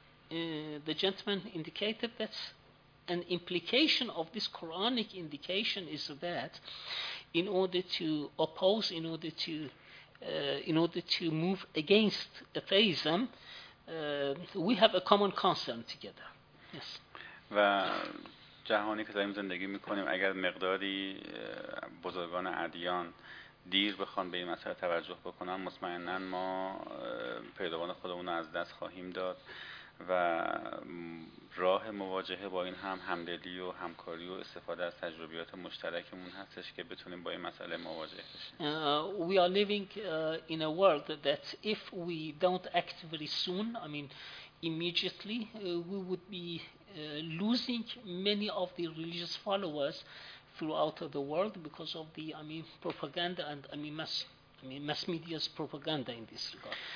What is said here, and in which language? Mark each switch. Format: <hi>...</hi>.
<en>The gentleman indicated that an implication of this Quranic indication is that in order to oppose, in order to move against atheism, we have a common concern together. Yes. Well,</en> <fa>جهانی که داریم زندگی میکنیم اگر مقداری بزرگان ادیان دیر بخوان به این مسئله توجه بکنن، مطمئنن ما پیروان خودمون رو از دست خواهیم داد و راه مواجهه با این هم همدلی و همکاری و استفاده از تجربیات مشترکمون هستش که بتونیم با این مسئله مواجه بشیم.</fa> <en>We are living in a world that if we don't act very soon, I mean immediately, we would be losing many of the religious followers throughout the world because of the propaganda and mass media's propaganda in this regard.</en>